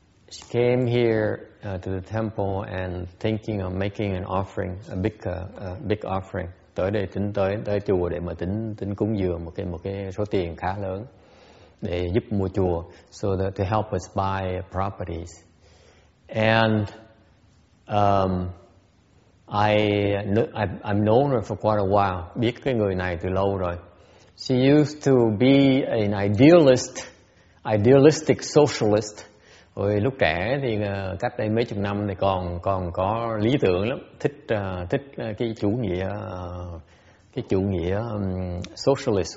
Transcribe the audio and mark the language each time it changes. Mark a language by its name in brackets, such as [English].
[English] She came here to the temple and thinking of making an offering, a big offering. [Vietnamese] Tới đây tính tới chùa để mà tính cúng dường một cái số tiền khá lớn. Để giúp mua chùa, [English] so that to help us buy properties. And I've known her for quite a while. [Vietnamese] Biết cái người này từ lâu rồi. [English] She used to be an idealistic socialist. [Vietnamese] Rồi lúc trẻ thì cách đây mấy chục năm thì còn có lý tưởng lắm, thích cái chủ nghĩa socialist.